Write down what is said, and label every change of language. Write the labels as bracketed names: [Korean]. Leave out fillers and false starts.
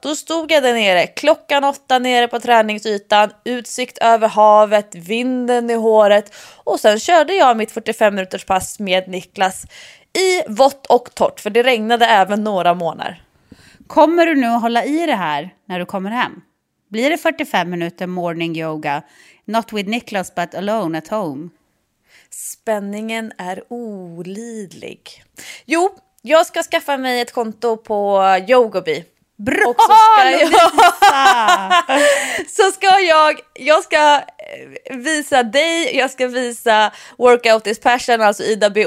[Swedish] Då stod jag där nere klockan 8 nere på träningsytan. Utsikt över havet, vinden i håret. Och sen körde jag mitt 45 minuters pass med Niklas i vått och torrt. För det regnade även några månader. Kommer du nu att hålla i det här när du kommer hem? Blir det 45 minuter morning yoga? [English] Not with Niklas but alone at home. [Swedish] Spänningen är olidlig. Jo, jag ska skaffa mig ett konto på Yogobi. Bra, och så ska jag... Så ska jag ska visa dig, jag ska visa Workout is Passion, alltså Ida B.